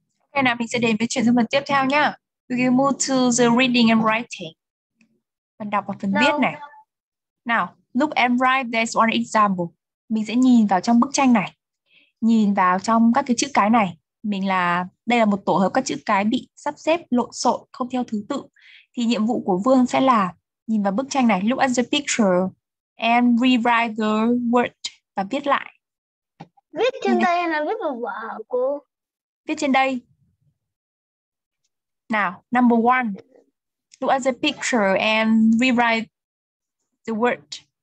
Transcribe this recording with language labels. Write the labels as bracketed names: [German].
[Vietnamese] Okay, now mình sẽ đến với chuyển sang phần tiếp theo nhá. [English] We can move to the reading and writing. [Vietnamese] Phần đọc và phần viết này. [English] Now, look and write this one example. [Vietnamese] Mình sẽ nhìn vào trong bức tranh này. Nhìn vào trong các cái chữ cái này. Mình là, đây là một tổ hợp các chữ cái bị sắp xếp lộn xộn, không theo thứ tự. Thì nhiệm vụ của Vương sẽ là nhìn vào bức tranh này, [English] look at the picture and rewrite the word [Vietnamese] và viết lại. Viết trên đây hay là viết vào vở hả cô? Viết trên đây. [English] Nào, number one. Look at the picture and rewrite the word.